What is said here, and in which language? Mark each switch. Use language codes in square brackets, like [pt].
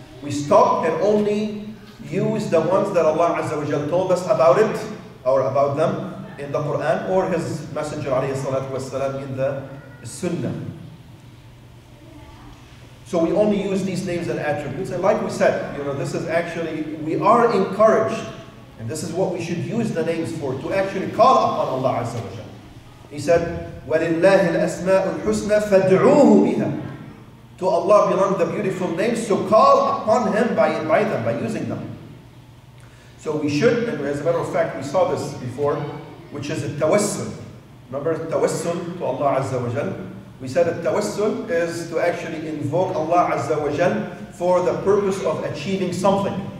[en] We stop and only use the ones that Allah Azza wa Jal told us about it, or about them, in the Quran, or His Messenger alayhi salatu wasalam in the Sunnah. So we only use these names and attributes. And like we said, you know, this is actually, we are encouraged, and this is what we should use the names for, to actually call upon Allah Azza wa Jal. He said, [ar] وَلِلَّهِ الْأَسْمَاءُ الْحُسْنَى فَادْعُوهُ بِهَا. [en] To Allah belong the beautiful names, so call upon Him by them, by using them. So we should, and as a matter of fact, we saw this before, which is التوسل. Remember التوسل to Allah Azza wa Jal? We said التوسل is to actually invoke Allah Azza wa Jal for the purpose of achieving something.